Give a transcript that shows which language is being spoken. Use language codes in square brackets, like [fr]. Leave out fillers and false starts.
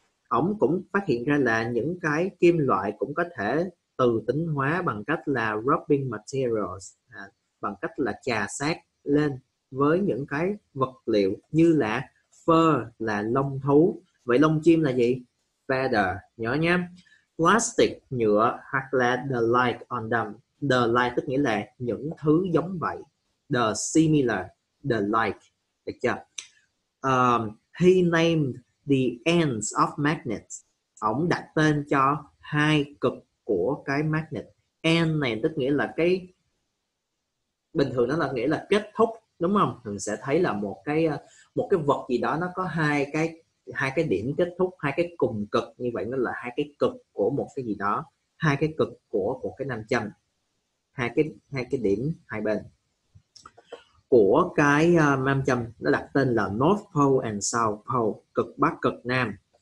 [vi] Ông cũng phát hiện ra là những cái kim loại cũng có thể từ tính hóa bằng cách là [en] rubbing materials, [vi] bằng cách là chà sát lên với những cái vật liệu như là fur, là lông thú. Vậy lông chim là gì? Feather, nhớ nhé. Plastic, nhựa, hoặc là [en] the like on them. [vi] The like tức nghĩa là những thứ giống vậy. [en] The similar, the like. [vi] Được chưa? [en] He named the ends of magnets. [vi] ổng đặt tên cho hai cực của cái magnet. End này tức nghĩa là cái, bình thường nó là nghĩa là kết thúc, đúng không? Mình sẽ thấy là một cái vật gì đó nó có hai cái điểm kết thúc, hai cái cùng cực, như vậy nó là hai cái cực của một cái gì đó, hai cái cực của cái nam châm, hai cái điểm hai bên của cái nam châm, nó đặt tên là North Pole and South Pole, cực bắc cực nam.